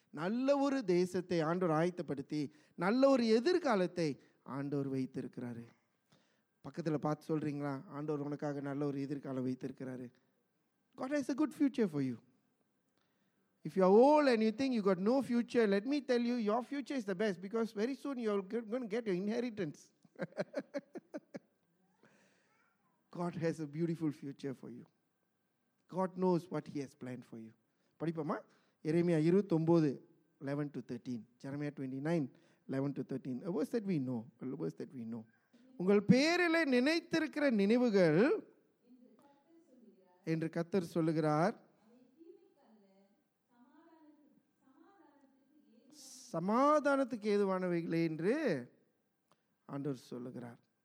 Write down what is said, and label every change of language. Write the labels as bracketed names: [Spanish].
[Tamil] நல்ல ஒரு தேசத்தை ஆண்டவர் ஆயத்தப்படுத்தி, நல்ல ஒரு எதிர்காலத்தை ஆண்டவர் வைத்திருக்கிறாரு. பக்கத்தில் பார்த்து சொல்கிறீங்களா, ஆண்டவர் உனக்காக நல்ல ஒரு எதிர்காலம் வைத்திருக்கிறாரு. [English] God has a good future for you. If you are old and you think you got no future, let me tell you, your future is the best, because very soon you are going to get your inheritance. God has a beautiful future for you. God knows what he has planned for you. [Tamil] Padipoma [English] Jeremiah 29:11-13, Jeremiah 29:11-13, a verse that we know, a verse that we know. [Tamil] உங்கள் பேரில் நினைத்திருக்கிற நினைவுகள் என்று கர்த்தர் சொல்லுகிறார், சமாதானத்துக்கு ஏதுவானவைகளே என்று ஆண்டவர் சொல்லுகிறார்.